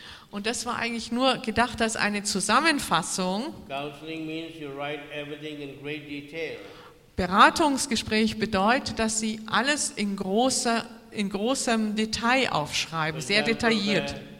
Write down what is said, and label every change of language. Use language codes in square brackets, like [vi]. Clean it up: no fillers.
[de] Und das war eigentlich nur gedacht als eine Zusammenfassung. [en] Counseling means you write everything in great detail. [de] Beratungsgespräch bedeutet, dass Sie alles in großem Detail aufschreiben, sehr detailliert.